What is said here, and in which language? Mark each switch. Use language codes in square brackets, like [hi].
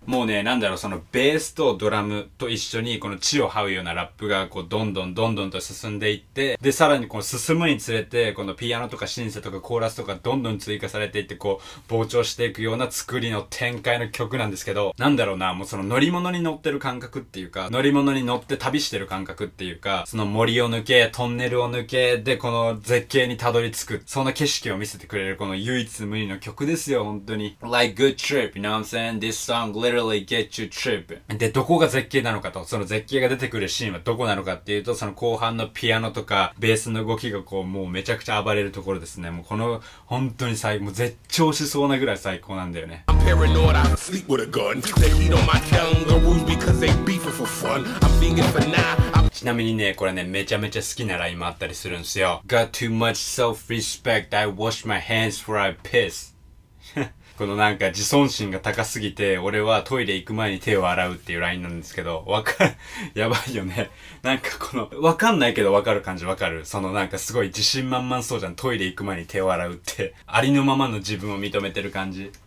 [ja] もうね、なんだろう、そのベースとドラムと一緒にこの地を這うようなラップがこうどんどんどんどんと進んでいって、でさらにこう進むにつれてこのピアノとかシンセとかコーラスとかどんどん追加されていって、こう膨張していくような作りの展開の曲なんですけど、なんだろうな、もうその乗り物に乗ってる感覚っていうか、乗り物に乗って旅してる感覚っていうか、その森を抜けトンネルを抜けでこの絶景にたどり着く、そんな景色を見せてくれるこの唯一無二の曲ですよ本当に。 [en] LikeGood trip, you know what I'm saying? This song literally gets you tripping. [ja] で、どこが絶景なのかと、その絶景が出てくるシーンはどこなのかっていうと、その後半のピアノとかベースの動きがこうもうめちゃくちゃ暴れるところですね。もうこの本当に最高、もう絶頂しそうなぐらい最高なんだよね。 [en] I'm paranoid, I sleep with a gun. They eat on my kangaroos because they beefing for fun. I'm thinking for now. [ja] ちなみにね、これね、めちゃめちゃ好きなラインもあったりするんですよ。 [en] Got too much self-respect, I wash my hands before I piss. [ja] このなんか自尊心が高すぎて俺はトイレ行く前に手を洗うっていうラインなんですけど、わかる、やばいよね。なんかこのわかんないけどわかる感じ、わかる、そのなんかすごい自信満々そうじゃん、トイレ行く前に手を洗うってありのままの自分を認めてる感じ。